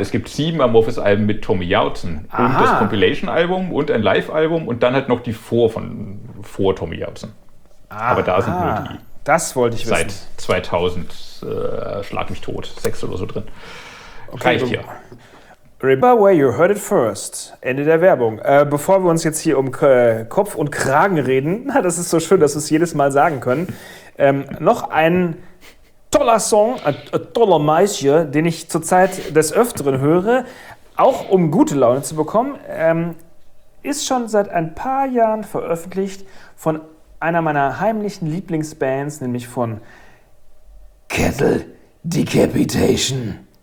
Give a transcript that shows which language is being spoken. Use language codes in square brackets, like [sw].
[de] Es gibt 7 Amorphis-Alben mit Tommy Jauten. Und das Compilation-Album und ein Live-Album und dann halt noch die vor Tommy Jauten. Aber da sind nur die. Das wollte ich seit wissen. Seit 2000, schlag mich tot, 6 oder so drin. Okay, reicht hier. [en] Remember where you heard it first. [de] Ende der Werbung. Bevor wir uns jetzt hier um Kopf und Kragen reden, na, das ist so schön, dass wir es jedes Mal sagen können, noch ein toller Song, ein toller Maisje, den ich zurzeit des Öfteren höre, auch um gute Laune zu bekommen, ist schon seit ein paar Jahren veröffentlicht von einer meiner heimlichen Lieblingsbands, nämlich von Kettle Decapitation.